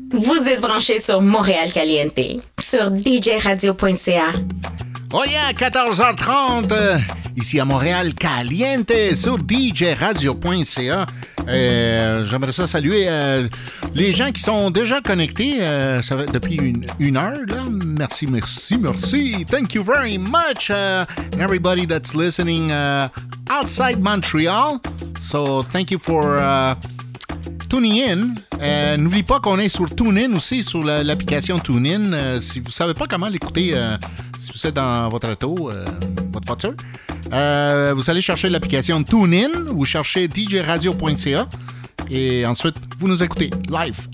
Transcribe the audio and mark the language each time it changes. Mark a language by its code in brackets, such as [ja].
[fr] Vous êtes branchés sur Montréal Caliente, sur djradio.ca. Oh yeah, 14h30! Ici à Montréal, Caliente, sur djradio.ca. J'aimerais ça saluer les gens qui sont déjà connectés ça va, depuis une heure. Là. Merci, merci, merci. [en] Thank you very much, everybody that's listening outside Montreal. So, thank you for tuning in. [fr] N'oublie pas qu'on est sur TuneIn aussi, sur l'application TuneIn. Si vous ne savez pas comment l'écouter, si vous êtes dans votre auto, votre voiture, vous allez chercher l'application TuneIn ou chercher djradio.ca et ensuite, vous nous écoutez live.